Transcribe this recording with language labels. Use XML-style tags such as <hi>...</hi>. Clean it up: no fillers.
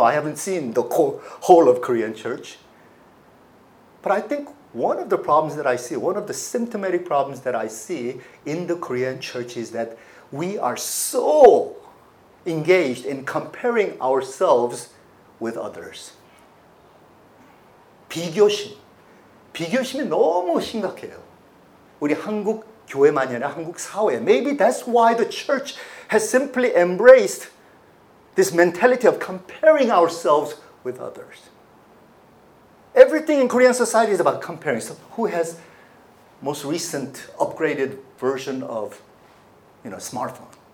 <en>I haven't seen the whole of Korean church. But I think one of the problems that I see, one of the symptomatic problems that I see in the Korean church is that we are so engaged in comparing ourselves with others.</en> <ko>비교심. 비교심이 너무 심각해요. 우리 한국 교회만이 아니라 한국 사회.</ko> <en>Maybe that's why the church has simply embraced this mentality of comparing ourselves with others. Everything in Korean society is about comparing. So who has most recent upgraded version of, you know, smartphone?</en>